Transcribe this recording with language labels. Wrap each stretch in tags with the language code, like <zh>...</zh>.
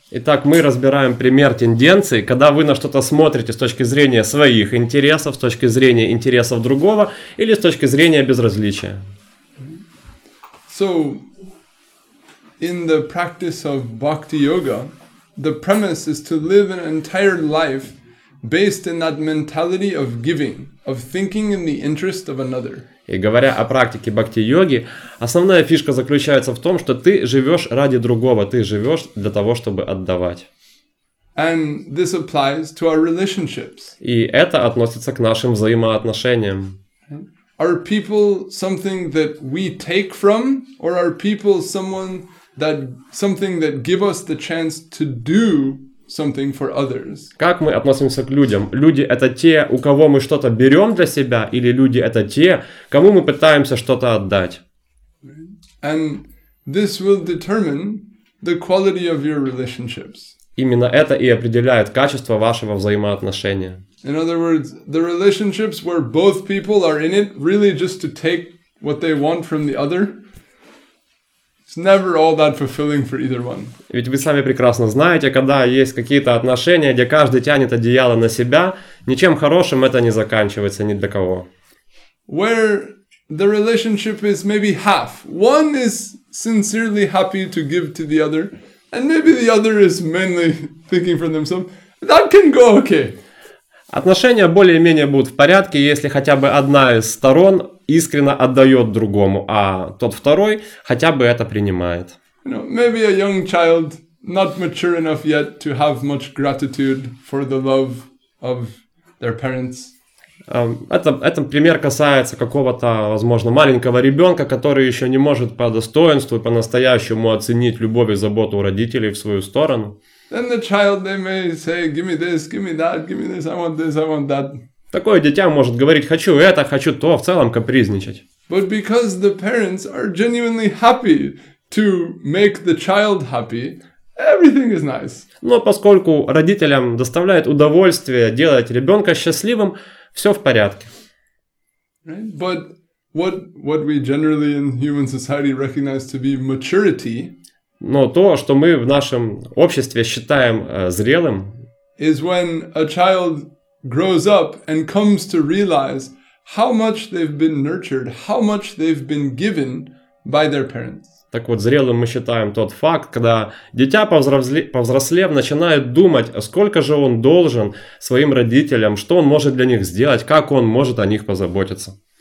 <ru>Итак, мы разбираем пример тенденции, когда вы на что-то смотрите с точки зрения своих интересов, с точки зрения интересов другого или с точки зрения безразличия.</ru> <en>So, in the practice of bhakti yoga, the premise is to live an entire life based in that mentality of giving, of thinking in the interest of another.</en> <ru>И говоря о практике бхакти-йоги, основная фишка заключается в том, что ты живешь ради другого, ты живешь для того, чтобы отдавать.</ru> <en>And this applies to our relationships.</en> <ru>И это относится к нашим взаимоотношениям.</ru> <en>Are people something that we take from, or are people someone that something that give us the chance to do something for others?</en> <ru>Как мы относимся к людям? Люди — это те, у кого мы что-то берем для себя, или люди — это те, кому мы пытаемся что-то отдать?</ru> <en>And this will determine the quality of your relationships.</en> <ru>Именно это и определяет качество вашего взаимоотношения.</ru> <en>In other words, the relationships where both people are in it really just to take what they want from the other, it's never all that fulfilling for either one.</en> <ru>Ведь вы сами прекрасно знаете, когда есть какие-то отношения, где каждый тянет одеяло на себя, ничем хорошим это не заканчивается ни для кого.</ru> <en>Where the relationship is maybe half. One is sincerely happy to give to the other, and maybe the other is mainly thinking for themselves. That can go okay.</en> <ru>Отношения более-менее будут в порядке, если хотя бы одна из сторон искренне отдает другому, а тот второй хотя бы это принимает.</ru> <en>You know, maybe a young child, not mature enough yet to have much gratitude for the love of their parents.</en> <ru>Это пример касается какого-то, возможно, маленького ребенка, который еще не может по достоинству, по-настоящему оценить любовь и заботу родителей в свою сторону.</ru> <en>Then the child, they may say, give me this, give me that, give me this, I want this, I want that.</en> <ru>Такое дитя может говорить, хочу это, хочу то, в целом капризничать.</ru> <en>But because the parents are genuinely happy to make the child happy, everything is nice.</en> <ru>Но поскольку родителям доставляет удовольствие делать ребенка счастливым, все в порядке.</ru> <en>Right? But what we generally in human society recognize to be maturity...</en> <ru>Но то, что мы в нашем обществе считаем зрелым,</ru> <en>is when a child grows up and comes to realize how much they've been nurtured, how much they've been given by their parents.</en> <ru>Так вот, зрелым мы считаем тот факт, когда дитя, повзрослев, начинает думать, сколько же он должен своим родителям, что он может для них сделать, как он может о них позаботиться.</ru>